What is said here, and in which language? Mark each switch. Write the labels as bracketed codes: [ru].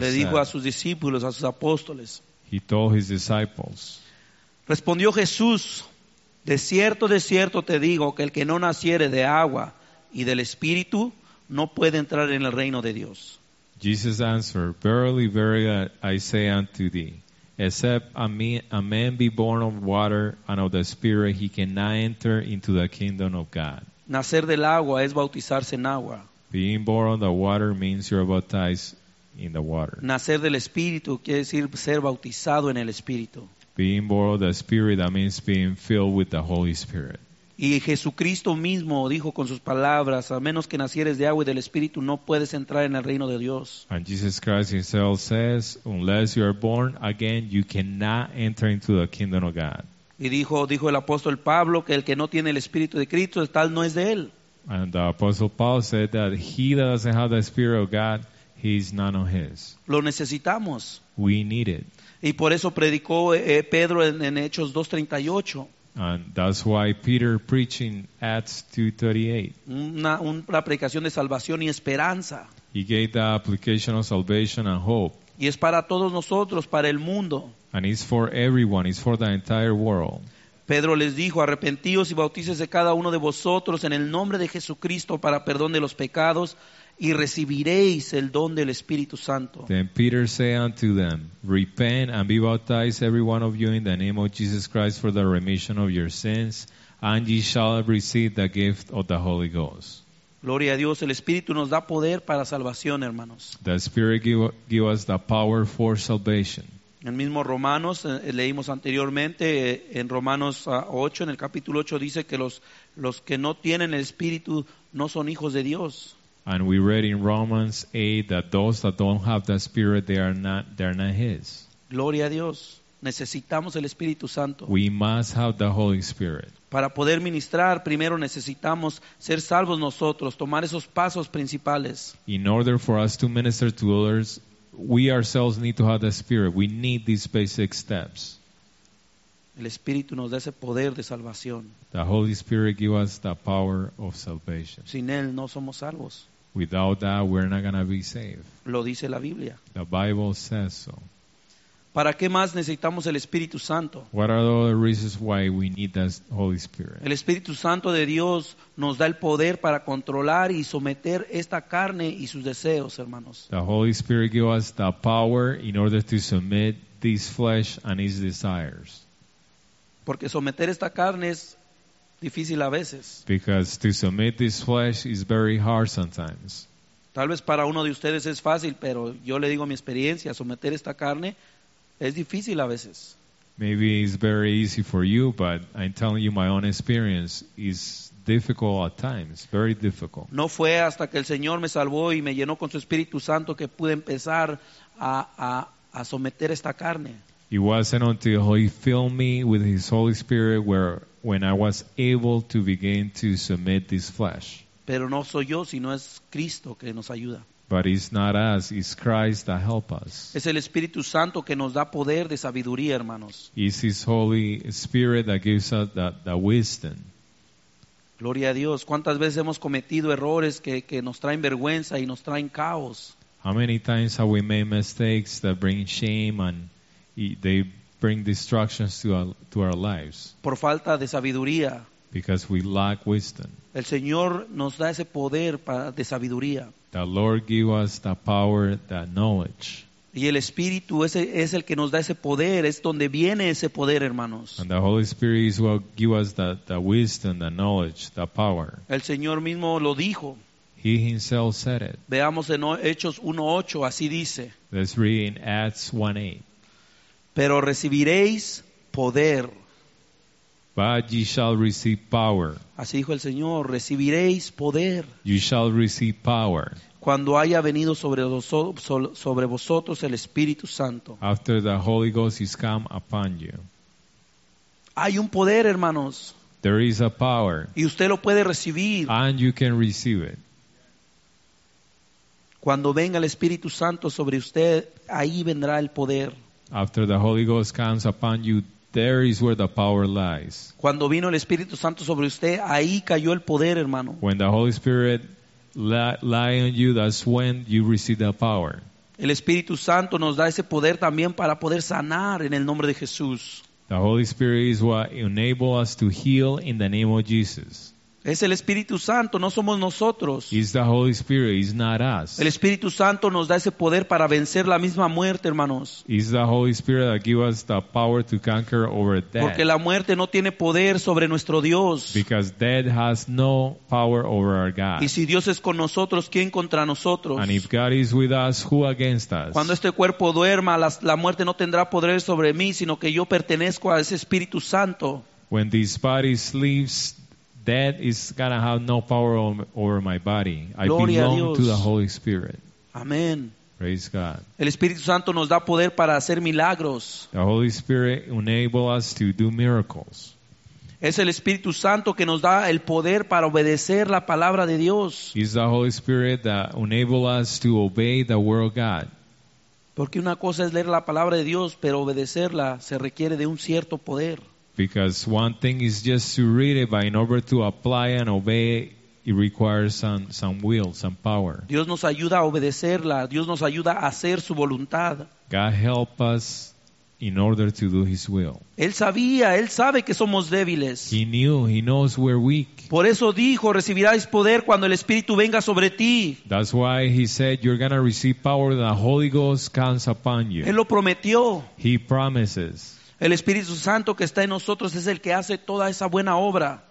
[es] Le dijo a sus discípulos, a sus apóstoles. [en] He told his disciples. [es] Respondió Jesús, de cierto te digo que el que no naciere de agua y del Espíritu no puede entrar en el reino de Dios. [en] Jesus answered, verily, verily, I say unto thee, except a man be born of water and of the Spirit, he cannot enter into the kingdom of God. [es] Nacer del agua es bautizarse en agua. [en] Being born of the water means you're baptized in the water. [es] Nacer del Espíritu quiere decir ser bautizado en el Espíritu. [en] Being born of the Spirit, that means being filled with the Holy Spirit. [es] Y Jesucristo mismo dijo con sus palabras, a menos que nacieres de agua y del Espíritu, no puedes entrar en el reino de Dios. [en] And Jesus Christ himself says, unless you are born again, you cannot enter into the kingdom of God. [es] Y dijo el apóstol Pablo, que el que no tiene el Espíritu de Cristo, tal no es de él. [en] And the apostle Paul said that he that doesn't have the Spirit of God, he is none of his. [es] Lo necesitamos. [en] We need it. [es] Y por eso predicó Pedro en Hechos 2:38. [en] And that's why Peter preached in Acts 2:38. [es] Una predicación de salvación y esperanza. [en] He gave the application of salvation and hope. [es] Y es para todos nosotros, para el mundo. [en] And it's for everyone, it's for the entire world. [es] Pedro les dijo, arrepentíos y bautícese cada uno de vosotros en el nombre de Jesucristo para perdón de los pecados y recibiréis el don del Espíritu Santo. [en] Then Peter said unto them, repent and be baptized every one of you in the name of Jesus Christ for the remission of your sins, and ye shall receive the gift of the Holy Ghost. [es] Gloria a Dios, el Espíritu nos da poder para salvación, hermanos. [en] The Spirit give us the power for salvation. [es] En el mismo Romanos, leímos anteriormente, en Romanos 8, en el capítulo 8, dice que los que no tienen el Espíritu no son hijos de Dios. [en] And we read in Romans 8 that those that don't have the Spirit, they are not His. [es] Gloria a Dios. Necesitamos el Espíritu Santo. [en] We must have the Holy Spirit. [es] Para poder ministrar, primero necesitamos ser salvos nosotros, tomar esos pasos principales. [en] In order for us to minister to others, we ourselves need to have the Spirit. We need these basic steps. [es] El Espíritu nos da ese poder de salvación. [en] The Holy Spirit gives us the power of salvation. [es] Sin Él no somos salvos. [en] Without that, we're not going to be saved. [es] Lo dice la Biblia. [en] The Bible says so. [es] ¿Para qué más necesitamos el Espíritu Santo? [en] What are the other reasons why we need the Holy Spirit? [es] El Espíritu Santo de Dios nos da el poder para controlar y someter esta carne y sus deseos, hermanos. [en] The Holy Spirit gives us the power in order to submit this flesh and its desires. [es] Porque someter esta carne es difícil a veces. [en] Because to submit this flesh is very hard sometimes. [es] Tal vez para uno de ustedes es fácil, pero yo le digo mi experiencia, someter esta carne es difícil a veces. [en] Maybe it's very easy for you, but I'm telling you my own experience is difficult at times, very difficult. [es] No fue hasta que el Señor me salvó y me llenó con su Espíritu Santo que pude empezar a someter esta carne. [en] It wasn't until He filled me with His Holy Spirit when I was able to begin to submit this flesh. [es] Pero no soy yo, sino es Cristo que nos ayuda. [en] But it's not us, it's Christ that helps us. [es] Es el Espíritu Santo que nos da poder de sabiduría, hermanos. [en] It's His Holy Spirit that gives us the wisdom. [es] Gloria a Dios. ¿Cuántas veces hemos cometido errores que nos traen vergüenza y nos traen caos? [en] How many times have we made mistakes that bring shame and they bring destructions to our lives? [es] Por falta de sabiduría. [en] Because we lack wisdom. [es] El Señor nos da ese poder de sabiduría. [en] The Lord give us the power, the knowledge. [es] Y el Espíritu es el que nos da ese poder, es donde viene ese poder, hermanos. [en] And the Holy Spirit is what give us the wisdom, the knowledge, the power. [es] El Señor mismo lo dijo. [en] He himself said it. [es] Veamos en Hechos 1:8, así dice. [en] Let's read in Acts 1:8. [es] Pero recibiréis poder. [en] But ye shall receive power. [es] Así dijo el Señor, recibiréis poder. [en] You shall receive power. [es] Cuando haya venido sobre vosotros el Espíritu Santo. [en] After the Holy Ghost is come upon you. [es] Hay un poder, hermanos. [en] There is a power. [es] Y usted lo puede recibir. [en] And you can receive it. [es] Cuando venga el Espíritu Santo sobre usted, ahí vendrá el poder. [en] After the Holy Ghost comes upon you, there is where the power lies. [es] Cuando vino el Espíritu Santo sobre usted, ahí cayó el poder, hermano. [en] When the Holy Spirit lie on you, that's when you receive the power. [es] El Espíritu Santo nos da ese poder también para poder sanar en el nombre de Jesús. [en] The Holy Spirit is what enables us to heal in the name of Jesus. [es] Es el Espíritu Santo, no somos nosotros. [en] It's the Holy Spirit, it's not us. [es] El Espíritu Santo nos da ese poder para vencer la misma muerte, hermanos. [en] It's the Holy Spirit that gives us the power to conquer over death. [es] Porque la muerte no tiene poder sobre nuestro Dios. [en] Because death has no power over our God. [es] Y si Dios es con nosotros, ¿quién contra nosotros? [en] And if God is with us, who against us? [es] Cuando este cuerpo duerma, la muerte no tendrá poder sobre mí, sino que yo pertenezco a ese Espíritu Santo. [en] When this body sleeps, that is gonna have no power over my body. I [es] Gloria [en] belong to the Holy Spirit. Amen. Praise God. [es] El Espíritu Santo nos da poder para hacer milagros. [en] The Holy Spirit enables us to do miracles. [es] Es el Espíritu Santo que nos da el poder para obedecer la palabra de Dios. [en] It's the Holy Spirit that enables us to obey the word of God. [es] Porque una cosa es leer la palabra de Dios, pero obedecerla se requiere de un cierto poder. [en] Because one thing is just to read it, but in order to apply and obey, it requires some will, some power. [es] Dios nos ayuda a obedecerla. Dios nos ayuda a hacer su voluntad. [en] God help us in order to do His will. [es] Él sabía, Él sabe que somos débiles. [en] He knew, He knows we're weak. [es] Por eso dijo, recibirás poder cuando el Espíritu venga sobre ti. [en] That's why He said, you're going to receive power when the Holy Ghost comes upon you. [es] Él lo prometió. [en] He promises. [es] El Espíritu Santo que está en nosotros es el que hace toda esa buena obra.